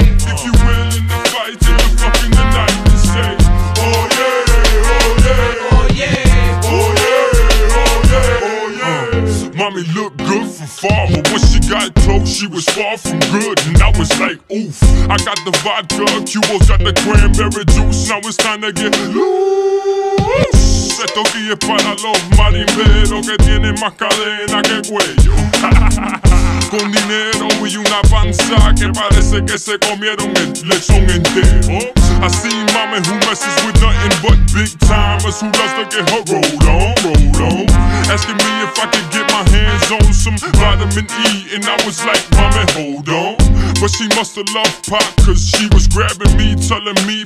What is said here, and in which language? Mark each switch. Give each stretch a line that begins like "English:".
English: If you're willing to fight till you're fucking the night, and say, oh yeah, oh yeah, oh yeah, oh yeah, oh yeah, oh yeah. Mommy looked good from far, but when she got close, she was far from good. And I was like, oof, I got the vodka, Cubos got the cranberry juice. Now it's time to get loose.
Spanish: Esto aquí es para los marimberos que tienen más cadena que cuello. Con dinero y una panza que parece que se comieron el lechón entero.
English: I see mommy who messes with nothing but big timers who loves to get her roll on, roll on. Asking me if I could get my hands on some vitamin E, and I was like, mommy, hold on. But she must have loved pop, cause she was grabbing me, telling me,